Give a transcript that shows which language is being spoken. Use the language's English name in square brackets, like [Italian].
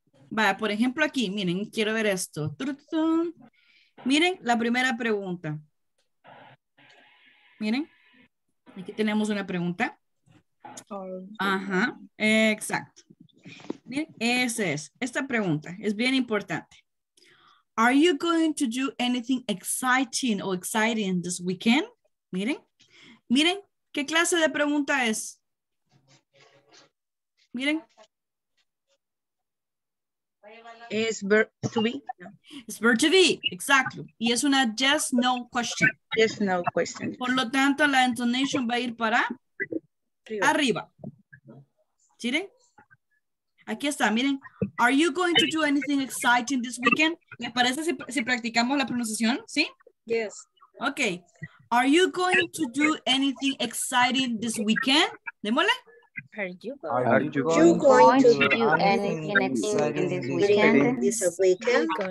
[Spanish] Vaya, por ejemplo, aquí, miren, quiero ver esto. Miren la primera pregunta. Miren, aquí tenemos una pregunta. Ajá, exacto. Miren, esa es, esta pregunta es bien importante. [English] Are you going to do anything exciting or exciting this weekend? [Spanish] Miren, miren, ¿qué clase de pregunta es? Miren. [English] Is verb to be. Is verb to be, [Spanish] exacto. Y es una [English] yes, no question. Yes, no question. [Spanish] Por lo tanto, la intonation va a ir para arriba. ¿Miren? Aquí está, miren. [English] Are you going to do anything exciting this weekend? [Spanish] ¿Les parece si practicamos la pronunciación? ¿Sí? [English] Yes. Ok. Are you going to do anything exciting this weekend? [Spanish] ¿Démosle? [English] Are you going to do anything exciting this weekend?